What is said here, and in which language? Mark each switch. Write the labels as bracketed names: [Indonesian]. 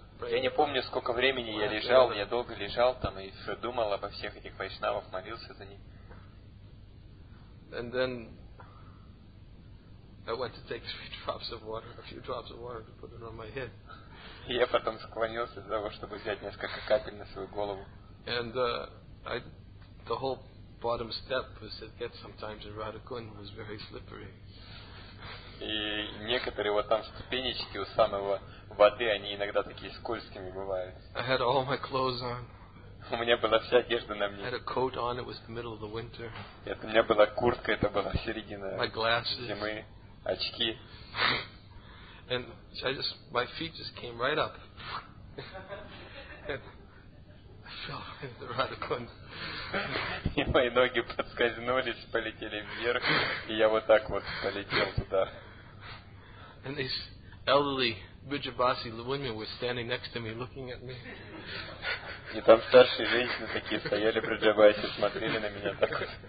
[Russian] Я не помню, сколько времени я лежал, я долго лежал там и все думал обо всех этих вайшнавах, молился за них. [English] And then I went to take a few drops of water to put it on my head. [Russian] Я потом склонился для того, чтобы взять несколько капель на свою голову. [English] And the whole bottom step was to get sometimes in Radhakund was very slippery. [Russian] И некоторые вот там ступенечки у самого воды, они иногда такие скользкими бывают. [English] I had all my clothes on. [Russian] У меня была вся одежда на мне. [English] I had a coat on, it was the middle of the winter. [Russian] Это у меня была куртка, это была середина [English] my glasses. [Russian] Зимы, очки. [English] And I just, my feet just came right up. I fell into the Radhakund. [Russian] И мои ноги подскользнулись, полетели вверх, и я вот так вот полетел туда. [English] And these elderly Vrijabasi women were standing next to me, looking at me. [Russian] И там старшие женщины такие стояли Vrijabasi, смотрели на меня так вот.